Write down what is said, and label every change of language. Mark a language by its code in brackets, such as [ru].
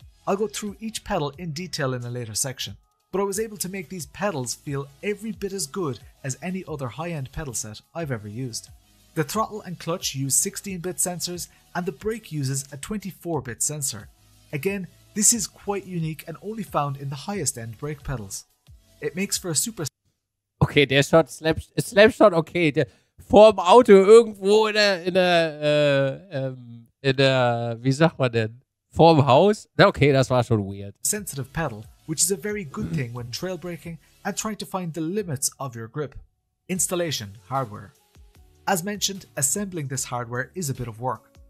[en] I'll go through each pedal in detail in a later section, but I was able to make these pedals feel every bit as good as any other high-end pedal set I've ever used. The throttle and clutch use 16-bit sensors, and the brake uses a 24-bit sensor. Again, this is quite unique and only found in the highest-end brake pedals. It makes for a super... [de] Okay, der Shot, Slapshot, okay, der vor dem Auto irgendwo in der, wie sagt man denn, vor dem Haus? Okay, das war schon weird. [en] Sensitive pedal, which is a very good thing when trail braking and trying to find the limits of your grip. Installation hardware. As mentioned, assembling this hardware is a bit of work.